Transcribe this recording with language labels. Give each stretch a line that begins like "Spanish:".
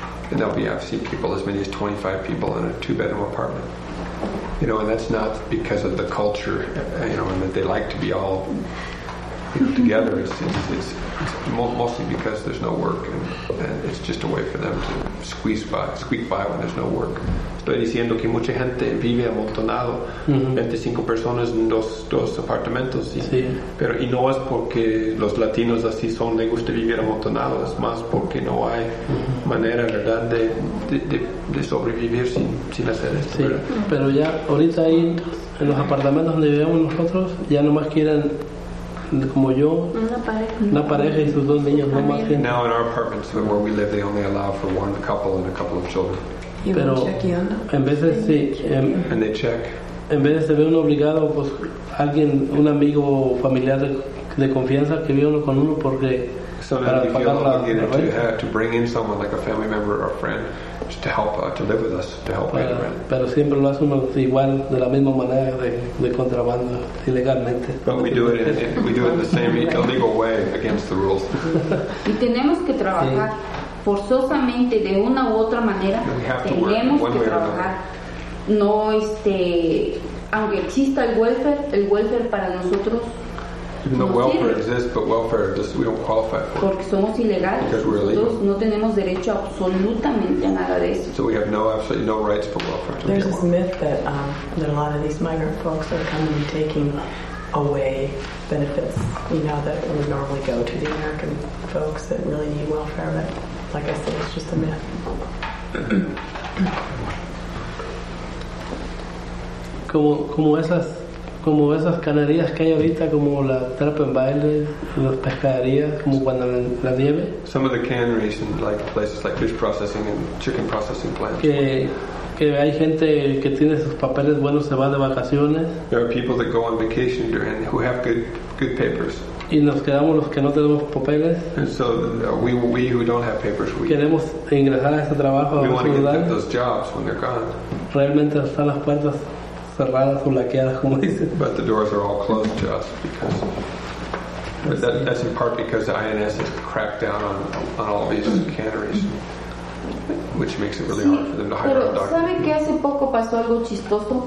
English: And there'll be, I've seen people, as many as 25 people in a two-bedroom apartment. You know, and that's not because of the culture, you know, and that they like to be all, you know, together. It's mostly because there's no work, and it's just a way for them to squeak by when there's no work.
Spanish: Estoy diciendo que mucha gente vive amontonado, 25 personas en dos apartamentos, sí. Pero y no es porque los latinos así son, les gusta vivir amontonado, es más porque no hay manera, ¿verdad?, de sobrevivir sin hacer esto. Sí, pero ya ahorita ahí en los apartamentos donde vivimos nosotros, ya nomás quieren, como yo, una pareja y sus dos niños, no más gente.
English: Now in our apartments where we live, they only allow for one couple and a couple of children.
Spanish: Pero en veces sí,
English: and they check.
Spanish: En veces se ve uno obligado, pues alguien, un amigo familiar de confianza que vive uno con uno porque
English: so
Spanish: para pagar la renta.
English: To bring in someone like a family member or a friend to help to live with us to help pay the rent.
Spanish: Pero siempre lo hace uno igual de la misma manera de contrabando ilegalmente.
English: But we do it in the same illegal way against the rules.
Spanish: Y tenemos que trabajar. Sí. Forzosamente de una u otra manera tenemos que trabajar. No, aunque exista el welfare para nosotros.
English: Even though welfare exists, but welfare just we don't qualify for it.
Spanish: Porque somos ilegales.
English: Because we're illegal.
Spanish: Nosotros no tenemos derecho absolutamente a nada de eso.
English: So we have absolutely no rights for welfare. There's this myth that that a lot of these migrant folks are coming and taking away benefits, you know, that would normally go to the American folks that really need welfare, but like I said, it's just a myth.
Spanish: Como esas canarias que hay ahorita, como la trap en baile, las pescaderías, como cuando la nieve.
English: Some of the canneries in like places like fish processing and chicken processing plants.
Spanish: Que hay gente que tiene sus papeles buenos, se va de vacaciones.
English: There are people that go on vacation during who have good papers.
Spanish: Y nos quedamos los que no tenemos papeles.
English: And so we who don't have papers, we
Spanish: queremos ingresar a ese trabajo.
English: We want to get those jobs when they're gone.
Spanish: Realmente están las puertas cerradas o laqueadas, como dicen.
English: But the doors are all closed to us because that's in part because the INS has cracked down on all these canneries. Which makes it really hard for them to hire
Spanish: pero
English: a doctor.
Spanish: ¿Sabe que hace poco pasó algo chistoso?